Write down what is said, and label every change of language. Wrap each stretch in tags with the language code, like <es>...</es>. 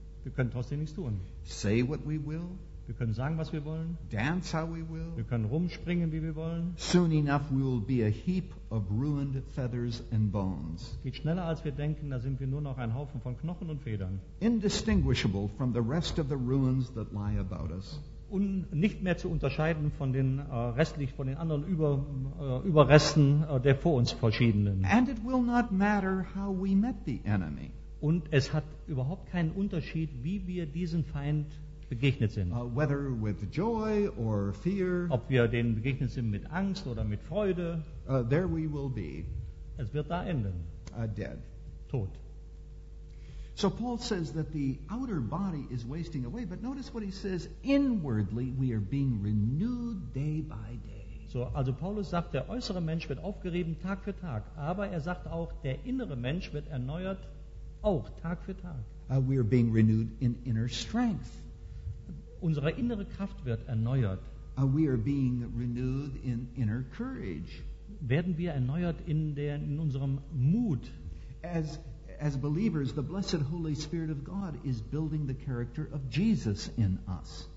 <de>Wir können trotzdem nichts tun.</de> <en>Say what we will.</en> <de>Wir können sagen, was wir wollen.</de> <en>Dance how we will.</en> <de>Wir können rumspringen, wie wir wollen.</de> <en>Soon enough we will be a heap of ruined feathers and bones.</en> <de>Geht schneller als wir denken, da sind wir nur noch ein Haufen von Knochen und Federn.</de> <en>Indistinguishable from the rest of the ruins that lie about us.</en> <de>Und nicht mehr zu unterscheiden von den anderen Überresten der vor uns verschiedenen.</de> <en>And it will not matter how we met the enemy.</en> <de>Und es hat überhaupt keinen Unterschied, wie wir diesen Feind begegnet sind.</de> <en>Whether with joy or fear,</en> <de>ob wir den begegnet sind mit Angst oder mit Freude,</de> <en>there we will be,</en> <de>es wird da enden.</de> <en>Dead.</en> <de>Tot.</de> <en>So Paul says that the outer body is wasting away, but notice what he says, inwardly we are being renewed day by day.</en> <de>So, also Paulus sagt, der äußere Mensch wird aufgerieben Tag für Tag, aber er sagt auch, der innere Mensch wird erneuert auch Tag für Tag.</de> <en>We are being renewed in inner strength.</en> <de>Unsere innere Kraft wird erneuert.</de> <en>We are being renewed in inner courage.</en> <de>Werden wir erneuert in unserem Mut.</de> <en>As believers, the blessed Holy Spirit of God is building the character of Jesus in us.</en>